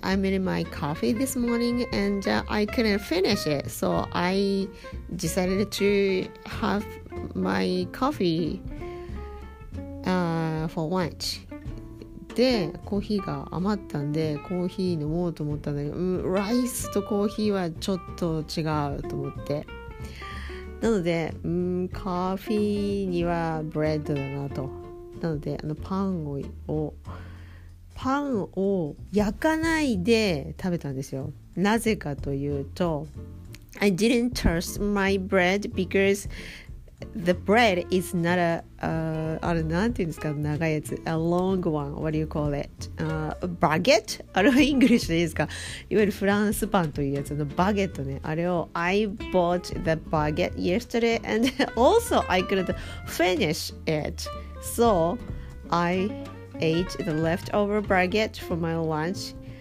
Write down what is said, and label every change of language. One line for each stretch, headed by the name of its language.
English: I made my coffee this morning and I couldn't finish it, so I decided to have my coffee for lunch.
Japanese: でコーヒーが余ったんでコーヒー飲もうと思ったんだけど、ライスとコーヒーはちょっと違うと思って、なのでコーヒーにはブレッドだなと。なのであのパンを焼かないで食べたんですよ。なぜかというと
English: I didn't toast my bread becauseThe bread is not a,
Japanese: なんていうんですか、長いやつ。
English: A long one. What do you call it? Baguette?
Japanese: あれはイングリッシュでいいですか。いわゆるフランスパンというやつのバゲットね。あれを
English: I bought the baguette yesterday and also I couldn't finish it. So I ate the leftover baguette for my lunch.